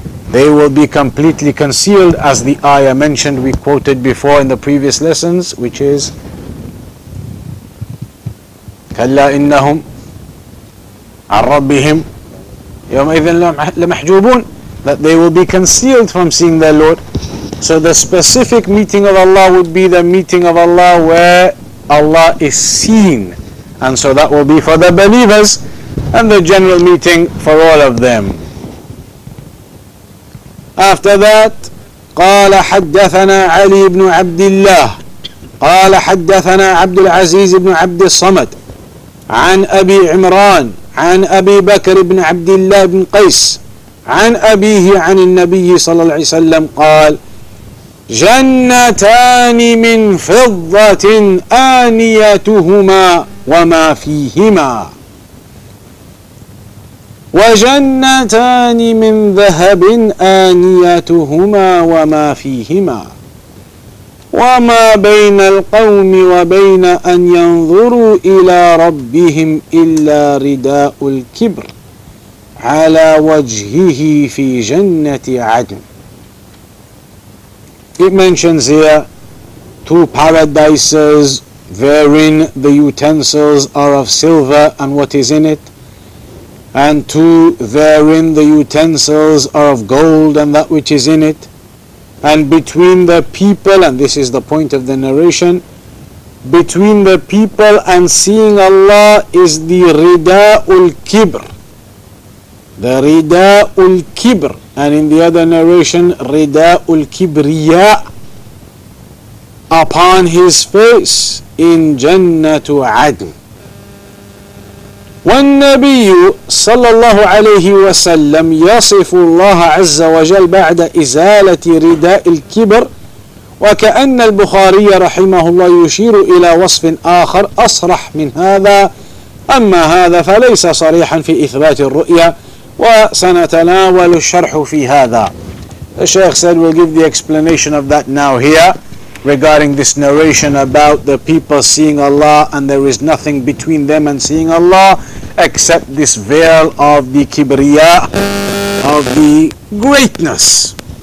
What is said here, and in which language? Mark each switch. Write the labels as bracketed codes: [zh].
[en] They will be completely concealed, as the ayah mentioned, we quoted before in the previous lessons, which is [ar] كَلَّا إِنَّهُمْ عَنْ رَبِّهِمْ يَوْمَئِذٍ لَمَحْجُوبُونَ, [en] that they will be concealed from seeing their Lord. So the specific meeting of Allah would be the meeting of Allah where Allah is seen. And so that will be for the believers, and the general meeting for all of them. After that, [ar] قَالَ حَدَّثَنَا عَلِي بْنُ عَبْدِ اللَّهِ قَالَ حَدَّثَنَا عَبْدُ الْعَزِيزِ بْنُ عَبْدِ الصَّمَدِ عَنْ أَبِي عِمْرَانِ عَنْ أَبِي بَكْرِ بْنُ عَبْدِ اللَّهِ بْنُ قَيْسِ عَنْ أَبِيهِ عَنِ النَّبِيِّ صلى الله عليه وسلم قَالَ جنتان من فضة آنيتهما وما فيهما وجنتان من ذهب آنيتهما وما فيهما وما بين القوم وبين أن ينظروا إلى ربهم إلا رداء الكبر على وجهه في جنة عدن. [en] It mentions here two paradises wherein the utensils are of silver and what is in it, and two wherein the utensils are of gold and that which is in it, and between the people, and this is the point of the narration, between the people and seeing Allah is the Rida'ul Kibr. The Rida'ul Kibr. And in the other narration, Rida'ul Kibriya upon his face in Jannatu Adn. [ar] والنبي صلى الله عليه وسلم يصف الله عز وجل بعد إزالة رداء الكبر، وكأن البخاري رحمه الله يشير إلى وصف آخر أصرح من هذا، أما هذا فليس صريحا في إثبات الرؤية، وسنتناول الشرح في هذا. [en] The Shaykh said we'll give the explanation of that now here regarding this narration about the people seeing Allah and there is nothing between them and seeing Allah except this veil of the Kibriya, of the greatness.